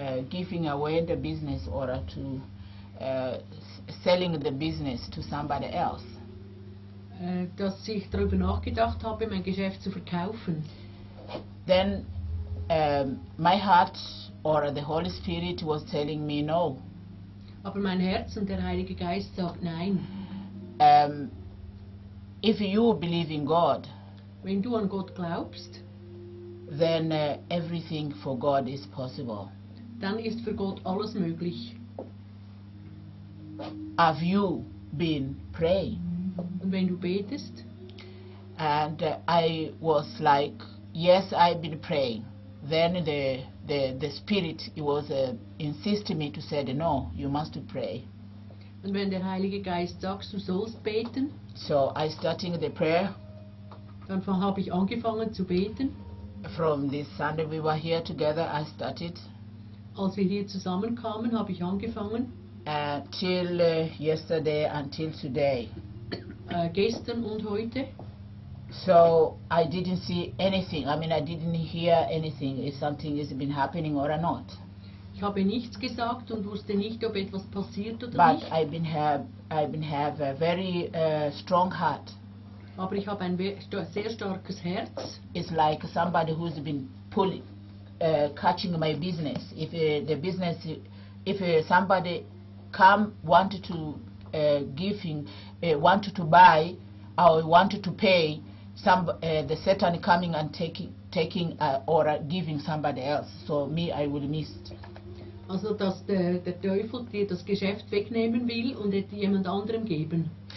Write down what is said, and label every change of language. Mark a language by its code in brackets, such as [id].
[en] Giving away the business or to selling the business to somebody else. [de] Dass ich darüber nachgedacht habe, mein Geschäft zu verkaufen. [en] Then my heart or the Holy Spirit was telling me no. [de] Aber mein Herz und der Heilige Geist sagt nein. [en] If you believe in God, [de] wenn du an Gott glaubst, [en] then everything for God is possible. [de] Dann ist für Gott alles möglich. [en] Have you been praying? [de] Und wenn du betest? [en] And I was like, yes, I've been praying. Then the Spirit was insisting me to say, no, you must pray. [de] Und wenn der Heilige Geist sagt, du sollst beten? [en] So I starting the prayer. [de] Dann habe ich angefangen zu beten. [en] From this Sunday we were here together, I started. [de] Als wir hier zusammenkamen, habe ich angefangen. [en] Till yesterday until today. [de] Gestern und heute. [en] So I didn't see anything. I mean, I didn't hear anything. If something has been happening or not. [de] Ich habe nichts gesagt und wusste nicht, ob etwas passiert oder [en] but [de] nicht. [en] But I've been have a very strong heart. [de] Aber ich habe ein sehr starkes Herz. [en] It's like somebody who's been pulling. Catching my business. If the business, if somebody come wanted to giving, wanted to buy, or wanted to pay, the Satan coming and taking or giving somebody else. So me, I would miss. [de] Also dass der Teufel dir das Geschäft wegnehmen will und es jemand anderem geben.